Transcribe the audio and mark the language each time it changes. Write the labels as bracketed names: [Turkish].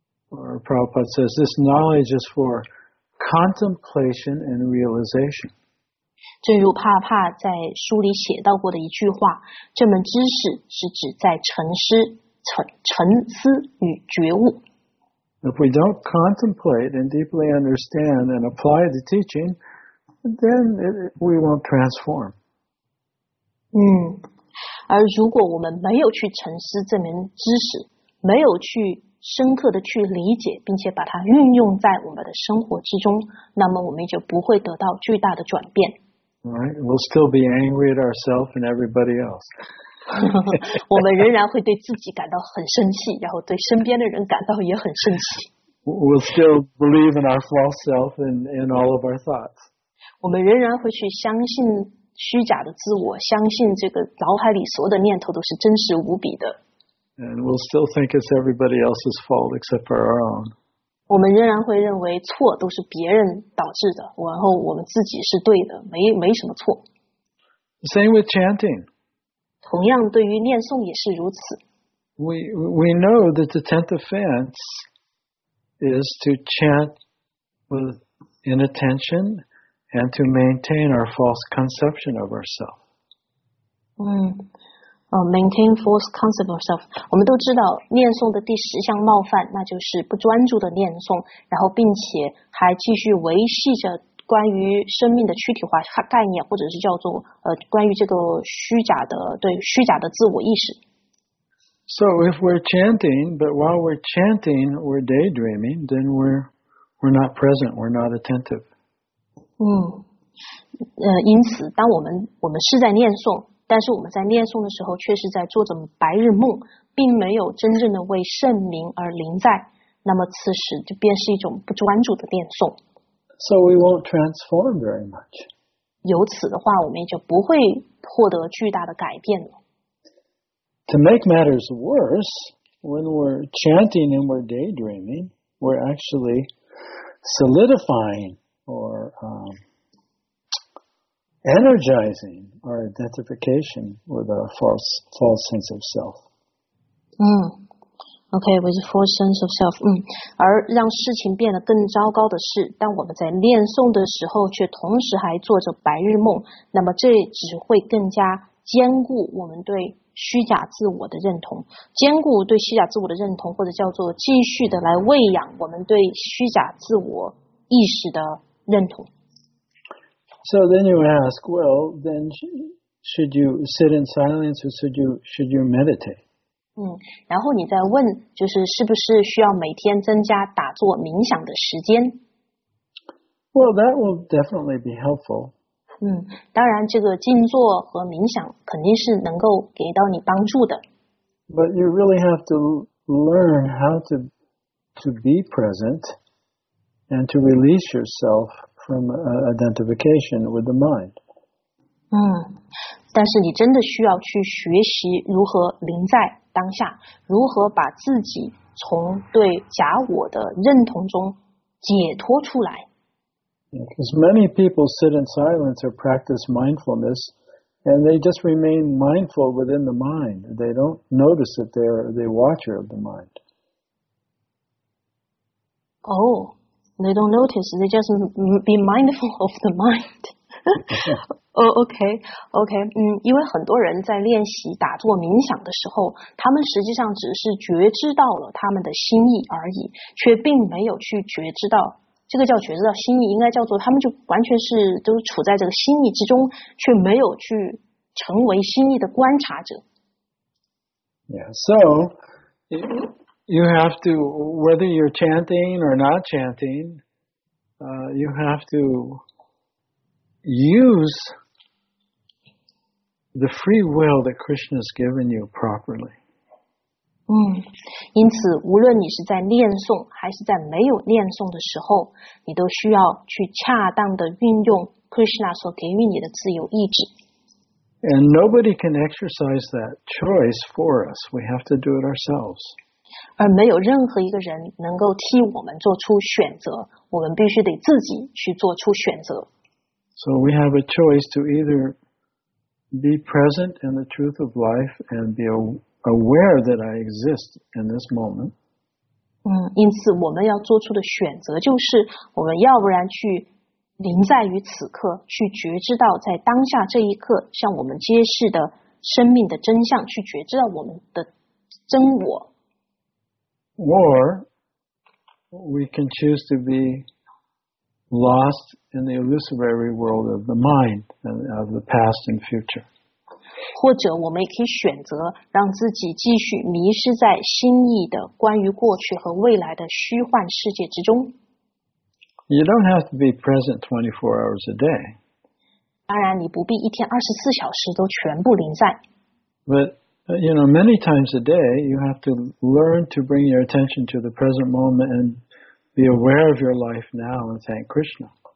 [English] Or Prabhupada says, this knowledge is for contemplation and realization. [Chinese] 正如帕帕在书里写到过的一句话，这门知识是指在沉思与觉悟。 [English] If we don't contemplate and deeply understand and apply the teaching, then we won't transform. [Chinese] 而如果我们没有去沉思这门知识，没有去深刻的去理解，并且把它运用在我们的生活之中，那么我们就不会得到巨大的转变。 [English] Right, we'll still be angry at ourselves and everybody else. [Chinese] 我们仍然会对自己感到很生气，然后对身边的人感到也很生气。 [English] We'll still believe in our false self and in all of our thoughts. [Chinese] 我们仍然会去相信虚假的自我，相信这个脑海里所有的念头都是真实无比的。 [English] And we'll still think it's everybody else's fault except for our own. [Chinese] 我们仍然会认为错都是别人导致的，然后我们自己是对的，没什么错。 [English] Same with chanting. [Chinese] 同样对于念诵也是如此。 [English] We know that the tenth offense is to chant with inattention and to maintain our false conception of ourselves. Maintain false concept of self. [Chinese] 我们都知道念诵的第十项冒犯，那就是不专注的念诵，然后并且还继续维系着关于生命的躯体化概念，或者是叫做关于这个虚假的自我意识。 [English] So if we're chanting, but while we're chanting, we're daydreaming, then we're not present, we're not attentive. [Chinese] 因此当我们是在念诵，但是我们在念诵的时候却是在做着白日梦，并没有真正的为圣名而临在，那么此时就便是一种不专注的念诵。 [English] So we won't transform very much. [Chinese] 由此的话我们也就不会获得巨大的改变了。 [English] To make matters worse, when we're chanting and we're daydreaming, we're actually solidifying or energizing our identification with a false sense of self. Okay, with a false sense of self. [Chinese] 而让事情变得更糟糕的是，当我们在念诵的时候，却同时还做着白日梦，那么这只会更加坚固我们对虚假自我的认同，坚固对虚假自我的认同，或者叫做继续的来喂养我们对虚假自我意识的认同。 [English] So then you ask, well, then should you sit in silence or should you meditate? [Chinese] 嗯，然后你再问，就是是不是需要每天增加打坐冥想的时间？ [English] Well, that will definitely be helpful. [Chinese] 嗯，当然这个静坐和冥想肯定是能够给到你帮助的。 [English] But you really have to learn how to be present and to release yourself. From identification with the mind. [Chinese] 嗯，但是你真的需要去学习如何临在当下，如何把自己从对假我的认同中解脱出来。 [English] Because many people sit in silence or practice mindfulness, and they just remain mindful within the mind. They don't notice that they're watcher of the mind. Oh. They don't notice. They just be mindful of the mind. Oh, okay, okay. [Chinese] 嗯，因为很多人在练习打坐冥想的时候，他们实际上只是觉知到了他们的心意而已，却并没有去觉知到这个叫觉知到心意，应该叫做他们就完全是都处在这个心意之中，却没有去成为心意的观察者。 [English] Yeah. So. You have to, whether you're chanting or not chanting, you have to use the free will that Krishna has given you properly. [Chinese] 因此无论你是在念诵还是在没有念诵的时候，你都需要去恰当的运用 Krishna 所给予你的自由意志。 [English] And nobody can exercise that choice for us. We have to do it ourselves. [Chinese] 而没有任何一个人能够替我们做出选择，我们必须得自己去做出选择。 [English] So we have a choice to either be present in the truth of life and be aware that I exist in this moment. [Chinese] 因此我们要做出的选择就是，我们要不然去临在于此刻，去觉知到在当下这一刻向我们揭示的生命的真相，去觉知到我们的真我。 [English] Or we can choose to be lost in the illusory world of the mind and of the past and future. [Chinese] 或者我们也可以选择让自己继续迷失在心意的关于过去和未来的虚幻世界之中。 [English] You don't have to be present 24 hours a day. [Chinese] 当然，你不必一天24小时都全部临在。 [English] But you know, many times a day, you have to learn to bring your attention to the present moment and be aware of your life now and thank Krishna.